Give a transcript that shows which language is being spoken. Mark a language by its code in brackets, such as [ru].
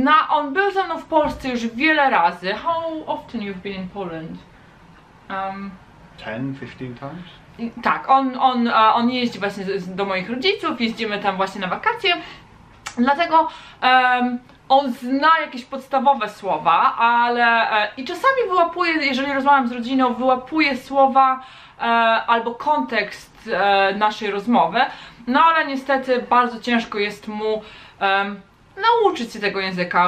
[pl] On był ze mną w Polsce już wiele razy. [en] How often you've been in Poland? 10-15 times? [pl] Tak, on jeździ właśnie do moich rodziców, jeździmy tam właśnie na wakacje. Dlatego on zna jakieś podstawowe słowa, ale i czasami wyłapuje, jeżeli rozmawiam z rodziną, wyłapuje słowa albo kontekst naszej rozmowy, no ale niestety bardzo ciężko jest mu nauczyć się tego języka.